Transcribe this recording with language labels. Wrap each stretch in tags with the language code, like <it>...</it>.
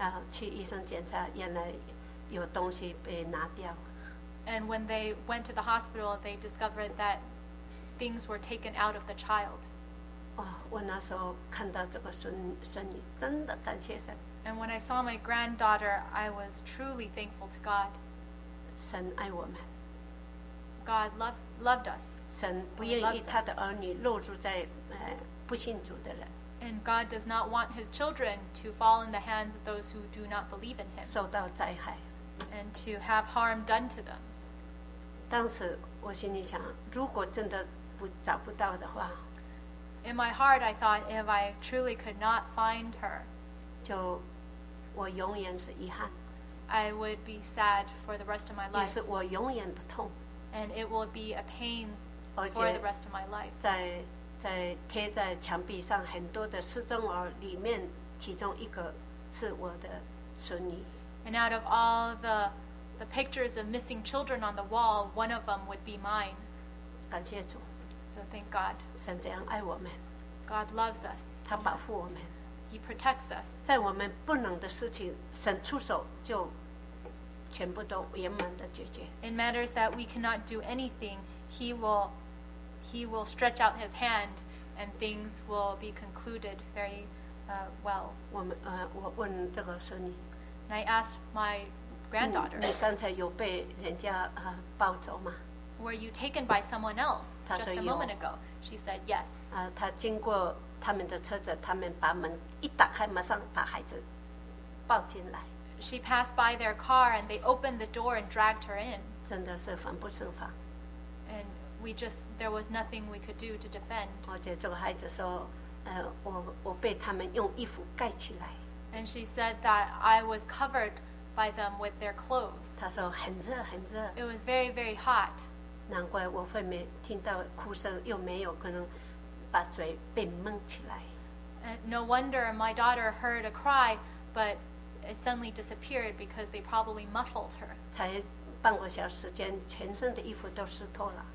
<zh>去医生检查，原来有东西被拿掉。</zh> <en>And when they went to the hospital, they discovered that things were taken out of the child.</en> <zh>我那时候看到这个孙女，真的感谢神。</zh> <en>And when I saw my granddaughter, I was truly thankful to God.</en> <zh>神爱我们。</zh> <en>God loved us.</en> <zh>神不愿意他的儿女落入在不信主的人。</zh> <en>And God does not want his children to fall in the hands of those who do not believe in him.</en> <zh>受到灾害。</zh> <en>And to have harm done to them.</en> <zh>当时我心里想，如果真的不找不到的话。</zh> <en>In my heart, I thought if I truly could not find her.</en> <zh>就我永远是遗憾。</zh> <en>I would be sad for the rest of my life.</en> <zh>也是我永远的痛。</zh> <en>And it will be a pain for the rest of my life.</en> <zh>在贴在墙壁上很多的失踪儿里面，其中一个是我的孙女。</zh> <en>And out of all the pictures of missing children on the wall, one of them would be mine.</en> <zh>感谢主。</zh> <en>So thank God.</en> <zh>神这样爱我们。</zh> <en>God loves us.</en> <zh>他保护我们。</zh> <en>He protects us.</en> <zh>在我们不能的事情，神出手就全部都圆满的解决。</zh> <en>In matters that we cannot do anything, He will stretch out His hand, and things will be concluded very well.</en> <zh>我问这个孙女。</zh> <en>And I asked my granddaughter.</en> <zh>你刚才有被人家抱走吗？</zh> <en>Were you taken by someone else just a moment ago? She said yes.</en> <zh>她经过他们的车子，他们把门一打开，马上把孩子抱进来。</zh> <en>She passed by their car and they opened the door and dragged her in.</en> <zh>真的是防不胜防。</zh> <en>And there was nothing we could do to defend.</en> <zh>而且这个孩子说，我被他们用衣服盖起来。</zh> <en>And she said that I was covered by them with their clothes.</en> <zh>她说很热很热。</zh> <en>It was very, very hot.</en> <zh>难怪我会没听到哭声，又没有可能把嘴被蒙起来。</zh> <en>And no wonder my daughter heard a cry, but it suddenly disappeared because they probably muffled her.</en> <zh>才半个小时间，全身的衣服都湿透了。</zh>